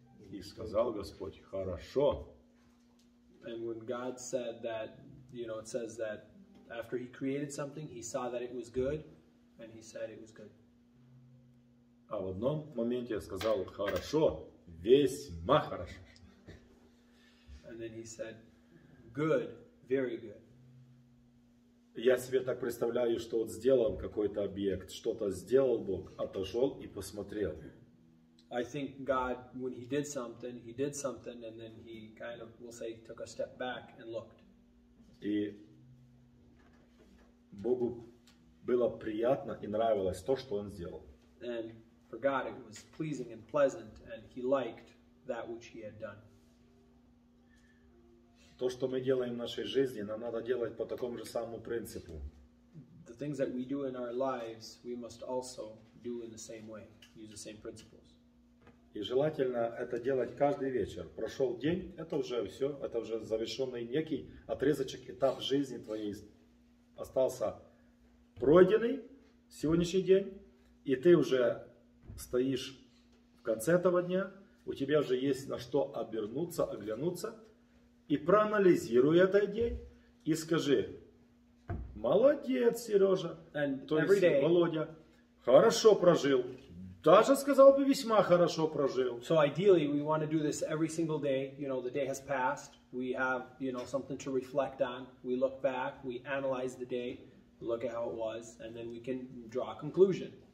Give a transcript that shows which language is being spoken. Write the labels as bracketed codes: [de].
[ru] И сказал Господь, хорошо. [en] And when God said that, you know, it says that after he created something, he saw that it was good. And he said it was good. [ru] А в одном моменте я сказал хорошо, весьма хорошо. [en] And then he said, good, very good. [ru] Я себе так представляю, что вот сделан какой-то объект, что-то сделал Бог, отошел и посмотрел. [en] I think God, when he did something, and then he kind of, we'll say, took a step back and looked. [ru] И Богу было приятно и нравилось то, что он сделал. [en] And for God it was pleasing and pleasant, and he liked that which he had done. [ru] То, что мы делаем в нашей жизни, нам надо делать по такому же самому принципу. [en] The things that we do in our lives, we must also do in the same way, use the same principles. [ru] И желательно это делать каждый вечер. Прошел день, это уже все, это уже завершенный некий отрезочек, этап жизни твоей остался пройденный сегодняшний день, и ты уже стоишь в конце этого дня, у тебя уже есть на что обернуться, оглянуться, и проанализируй этот день, и скажи, молодец, Сережа, [en] and [ru] то есть day, Володя, хорошо прожил, даже сказал бы, весьма хорошо прожил. [en] So ideally, we want to do this every single day, you know, the day has passed, we have, you know, something to reflect on, we look back, we analyze the day. Look at how it was, and then we can draw a conclusion.